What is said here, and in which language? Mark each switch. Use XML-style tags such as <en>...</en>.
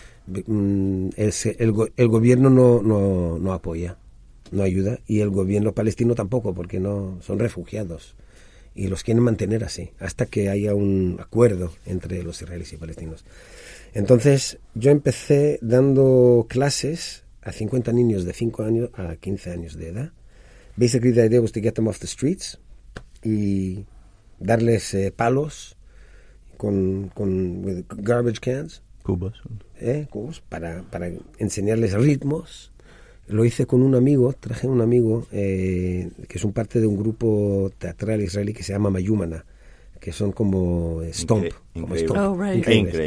<es>El gobierno no apoya, no ayuda, y el gobierno palestino tampoco, porque no son refugiados. Y los quieren mantener así, hasta que haya un acuerdo entre los israelíes y palestinos. Entonces, yo empecé dando clases a 50 niños de 5 años a 15 años de edad.</es> <en>Basically, the idea was to get them off the streets</en> <es>y darles palos,</es> <en>with garbage cans.</en> <es>Cubos. Cubos, para enseñarles ritmos. Lo hice con un amigo, traje un amigo que es un parte de un grupo teatral israelí que se llama Mayumana, que son como stomp.</es> <en>Oh, right.</en> <es>Increíble.</es>